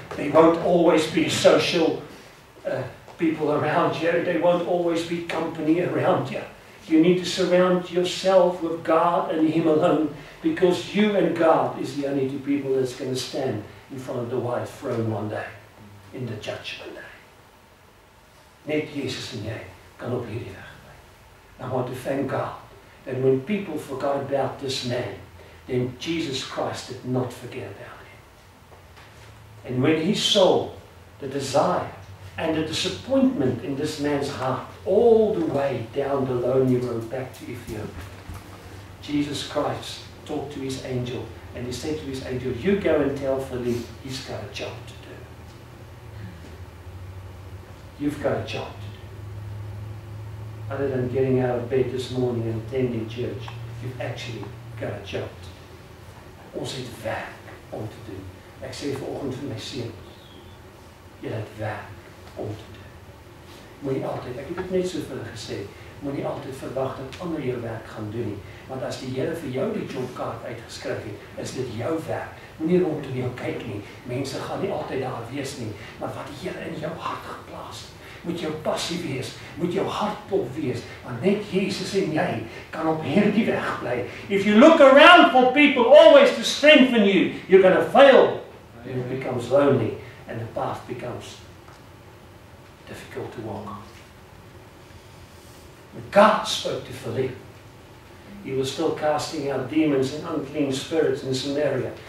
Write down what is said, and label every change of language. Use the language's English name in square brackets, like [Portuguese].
[English] They won't always be social, people around you. They won't always be company around you. You need to surround yourself with God and Him alone, because you and God is the only two people that's going to stand in front of the white throne one day, in the judgment day. [Afrikaans] Net Jesus en jy kan op hierdie weg. [English] I want to thank God that when people forgot about this man, then Jesus Christ did not forget about him. And when he saw the desire and the disappointment in this man's heart all the way down the lonely road back to Ethiopia, Jesus Christ talked to his angel, and he said to his angel, "You go and tell Philip he's got a job to do. You've got a job to do. Other than getting out of bed this morning and attending church, you've actually got a job to do. [Afrikaans] Ons het werk om te doen. Ek sê vanoggend vir my seuns, jy het werk om te doen. Moenie altyd, ek het dit net so vir hulle gesê, moenie altyd verwag dat ander jou werk gaan doen nie. Want as die Here vir jou die jobkaart uitgeskryf het, is dit jou werk. Moenie rondom jou kyk nie. Mense gaan nie altyd daar wees nie. Maar wat die Here in jou hart geplaas het, moet jou passie wees, moet jou hartpop wees, want net Jesus en jy kan op hierdie weg bly. [English] If you look around for people always to strengthen you, you're going to fail. And it becomes lonely and the path becomes difficult to walk on. When God spoke to Philip, he was still casting out demons and unclean spirits in Samaria.